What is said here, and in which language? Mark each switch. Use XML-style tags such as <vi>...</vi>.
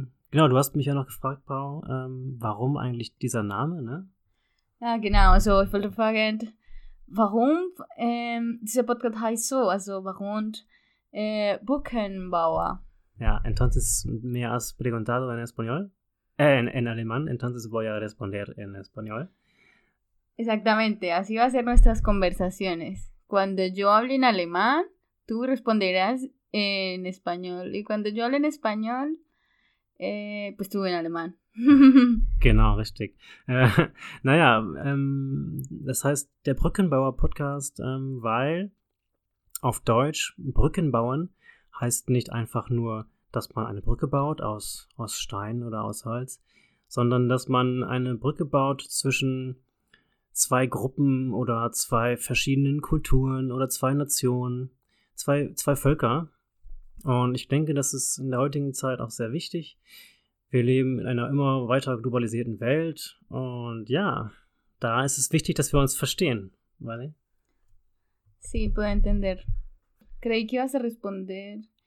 <de>Genau, du hast mich ja noch gefragt, Paul, warum eigentlich dieser Name? Ne? Ja, genau. Also ich wollte fragen, warum dieser Podcast heißt so? Also warum Brückenbauer?</de> <es>Ja, entonces me has preguntado en español. En alemán, entonces voy a responder en español. Exactamente, así va a ser nuestras conversaciones. Cuando yo hable en alemán, tú responderás en español. Y cuando yo hable en español, pues tú en alemán.</es> <de>Genau, richtig. Naja, das heißt, der Brückenbauer-Podcast, weil auf Deutsch Brückenbauern heißt nicht einfach nur, dass man eine Brücke baut aus Stein oder aus Holz, sondern dass man eine Brücke baut zwischen zwei Gruppen oder zwei verschiedenen Kulturen oder zwei Nationen, zwei Völker. Und ich denke, das ist in der heutigen Zeit auch sehr wichtig. Wir leben in einer immer weiter globalisierten Welt und ja, da ist es wichtig, dass wir uns verstehen.</de> <es>Vale? Sí, puedo entender. Creí que ibas a responder.</es>